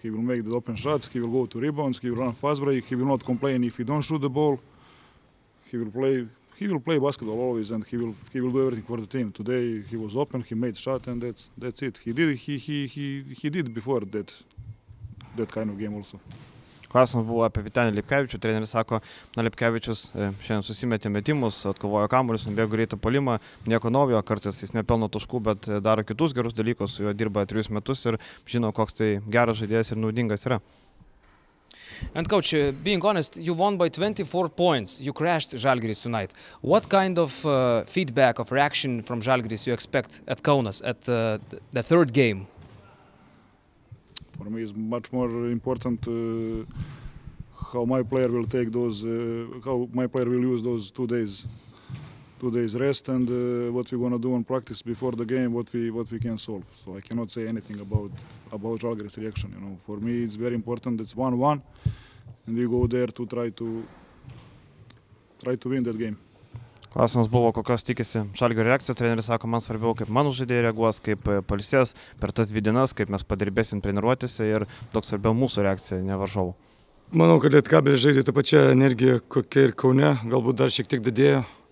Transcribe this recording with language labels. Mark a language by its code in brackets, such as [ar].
[en] He will make the open shots, he will go to rebounds, he will run fast break, he will not complain if he don't shoot the ball. He will play basketball always, and he will do everything for the team. Today he was open, he made shot, and that's it. He did before that kind of game also. [lt] Klausimas buvo apie Vytenį Lipkevičių. Treneris sako, na, Lipkevičius šiandien susimetė metimus, atkovojo kamuolius, nubėgo greitą puolimą, nieko naujo, kartais jis nepelno taškų, bet daro kitus gerus dalykus, su juo dirba 3 metus ir žino, koks tai geras žaidėjas ir naudingas yra. [en] And coach, being honest, you won by 24 points. You crashed Žalgiris tonight. What kind of feedback of reaction from Žalgiris you expect at Kaunas at the third game? For me, it's much more important how my player will use those 2 days, 2 days rest, and what we're gonna do in practice before the game, what we can solve. So I cannot say anything about Žalgiris' reaction. You know, for me, it's very important. It's 1-1, and we go there to try to win that game. [lt] Klausimas buvo, kokios tikisi Žalgirio reakcijos. Treneris sako, man svarbiau, kaip mano žaidėjai reaguos, kaip palsės per tas 2 dienas, kaip mes padirbėsim treniruotėse ir daug svarbiau mūsų reakcija, ne varžovų. Manau, kad Lietkabelis žaidė tą pačią energiją, kokia ir Kaune, galbūt dar šiek tiek didėjo.